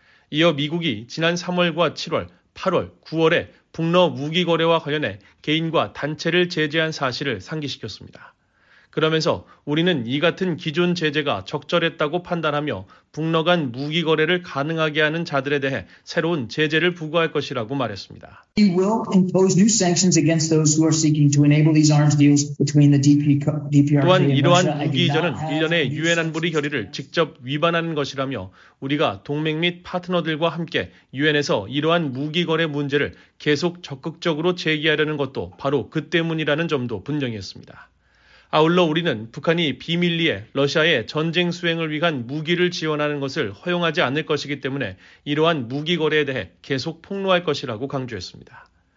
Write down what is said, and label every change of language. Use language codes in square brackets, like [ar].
[ko] 이어 미국이 지난 3월과 7월, 8월, 9월에 북러 무기 거래와 관련해 개인과 단체를 제재한 사실을 상기시켰습니다. 그러면서 우리는 이 같은 기존 제재가 적절했다고 판단하며 북러 간 무기 거래를 가능하게 하는 자들에 대해 새로운 제재를 부과할 것이라고 말했습니다. [en] We will impose new sanctions against those who are seeking to enable these arms deals between the DPRK and Russia. [ko] 또한 이러한 무기 이전은 일련의 유엔 안보리 결의를 직접 위반하는 것이라며 우리가 동맹 및 파트너들과 함께 유엔에서 이러한 무기 거래 문제를 계속 적극적으로 제기하려는 것도 바로 그 때문이라는 점도 분명했습니다. 아울러 우리는 북한이 비밀리에 러시아의 전쟁 수행을 위한 무기를 지원하는 것을 허용하지 않을 것이기 때문에 이러한 무기 거래에 대해 계속 폭로할 것이라고 강조했습니다.